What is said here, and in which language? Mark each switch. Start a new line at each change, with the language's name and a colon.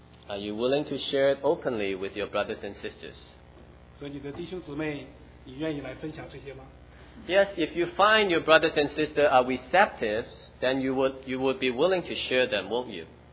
English: Are you willing to share it openly with your brothers and sisters?
Chinese: 和你的弟兄姊妹，你愿意来分享这些吗？
English: Yes, if you find your brothers and sisters are receptive, then you would be willing to share them, won't you?